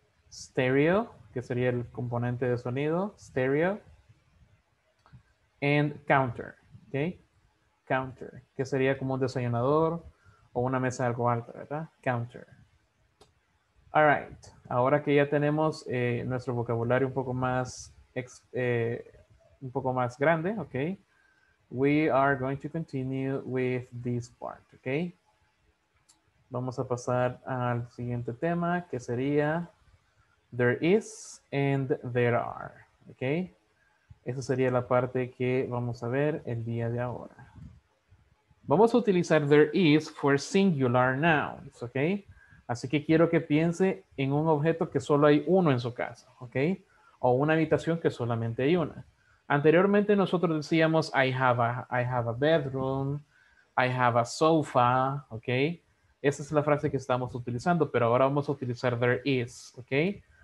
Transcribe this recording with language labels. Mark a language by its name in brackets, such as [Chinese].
[Spanish] Stereo, que sería el componente de sonido. Stereo. [English] And counter. Okay. [Spanish] Counter, que sería como un desayunador o una mesa de algo alto, ¿verdad? Counter. [English] All right. [Spanish] Ahora que ya tenemos nuestro vocabulario un poco más grande, ok. [English] We are going to continue with this part, okay? [Spanish] Vamos a pasar al siguiente tema, que sería [English] there is and there are, [Spanish] okay? Esa sería la parte que vamos a ver el día de ahora. Vamos a utilizar [English] there is for singular nouns, [Spanish] okay? Así que quiero que piense en un objeto que solo hay uno en su casa, okay? O una habitación que solamente hay una. Anteriormente nosotros decíamos [English] I have a bedroom, I have a sofa, [Spanish] ¿ok? Esa es la frase que estamos utilizando, pero ahora vamos a utilizar there is, ¿ok?